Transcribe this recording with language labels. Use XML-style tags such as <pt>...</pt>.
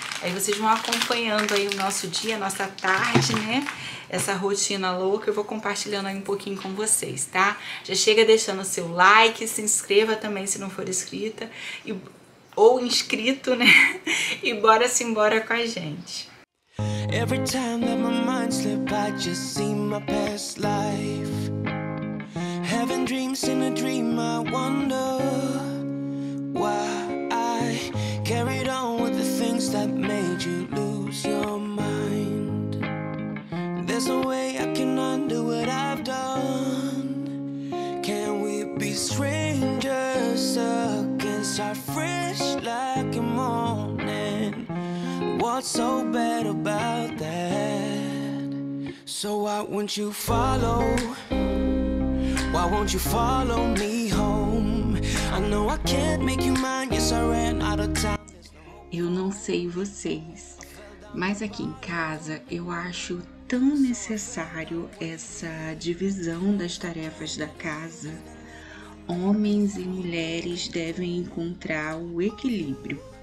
<pt>Aí vocês vão acompanhando aí o nosso dia, a nossa tarde, né? Essa rotina louca, eu vou compartilhando aí um pouquinho com vocês, tá? Já chega deixando o seu like, se inscreva também se não for inscrita, ou inscrito, né? E bora sim, bora com a gente.</pt> <en>Every time that my mind slips, I just see my past life. Having dreams in a dream, I wonder why I carried on with the things that made you lose your mind. There's no way I can undo what I've done. Can we be strangers again? Start fresh like a morning. What's so bad about that? So why won't you follow? Why won't you follow me home? I know I can't make you mine. Yes, I ran out of time.</en> <pt>Eu não sei vocês, mas aqui em casa eu acho tão necessário essa divisão das tarefas da casa. Homens e mulheres devem encontrar o equilíbrio.</pt>